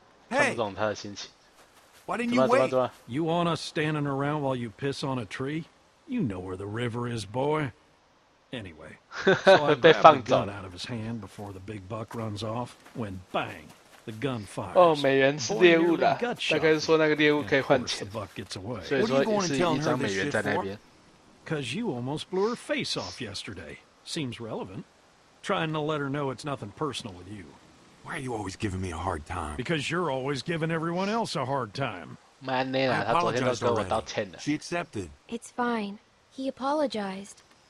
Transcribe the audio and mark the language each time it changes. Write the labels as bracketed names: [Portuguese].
[Chinese] Hey! 看不懂他的心情. [English] Why didn't you wait? You want us standing around while you piss on a tree? You know where the river is, boy. Anyway, so I grabbed the gun out of his hand before the big buck runs off, when bang, the gun fires. [Chinese] Oh, 美元是猎物的, 大概是说那个猎物可以换钱, [English] the buck gets away. [Chinese] 所以说是一张美元在那边。 [English] Because you almost blew her face off yesterday. Seems relevant. Trying to let her know it's nothing personal with you. Why are you always giving me a hard time? Because you're always giving everyone else a hard time. She accepted. It's fine. He apologized.